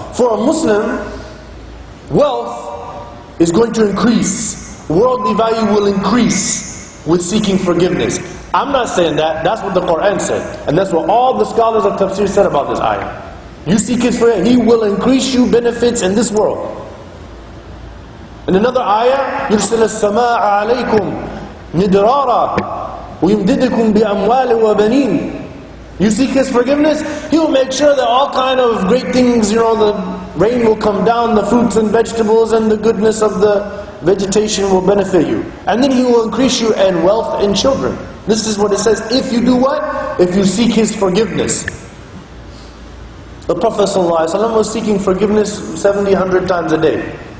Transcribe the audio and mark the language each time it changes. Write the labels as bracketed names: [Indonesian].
[English] For a Muslim, wealth is going to increase. Worldly value will increase with seeking forgiveness. I'm not saying that, that's what the Qur'an said. And that's what all the scholars of Tafsir said about this ayah. You seek His forgiveness, He will increase you benefits in this world. In another ayah, [Arabic] يُرْسِلَ السَّمَاءَ عَلَيْكُمْ نِدْرَارًا وَيُمْدِدِكُمْ بِأَمْوَالٍ وَبَنِينَ. [English] You seek His forgiveness, He will make sure that all kind of great things, you know, the rain will come down, the fruits and vegetables and the goodness of the vegetation will benefit you. And then He will increase you in wealth and children. This is what it says, if you do what? If you seek His forgiveness. The Prophet ﷺ was seeking forgiveness 70-100 times a day.